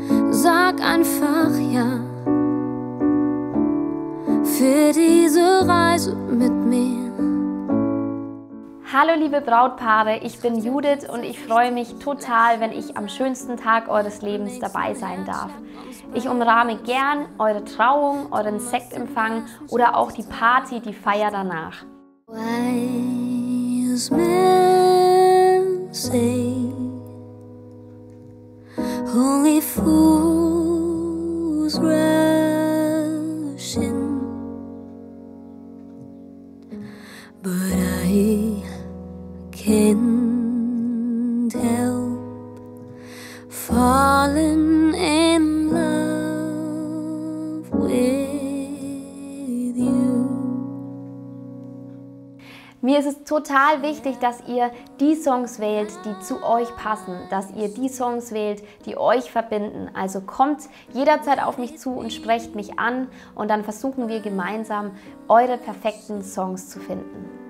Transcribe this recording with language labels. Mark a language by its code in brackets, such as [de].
[de] Sag einfach ja für diese Reise mit mir. Hallo liebe Brautpaare, ich bin Judith und ich freue mich total, wenn ich am schönsten Tag eures Lebens dabei sein darf. Ich umrahme gern eure Trauung, euren Sektempfang oder auch die Party, die Feier danach. [en] Wise men say, only fools rush in, but I can't help falling in love with you. [de] Mir ist es total wichtig, dass ihr die Songs wählt, die zu euch passen, dass ihr die Songs wählt, die euch verbinden. Also kommt jederzeit auf mich zu und sprecht mich an und dann versuchen wir gemeinsam, eure perfekten Songs zu finden.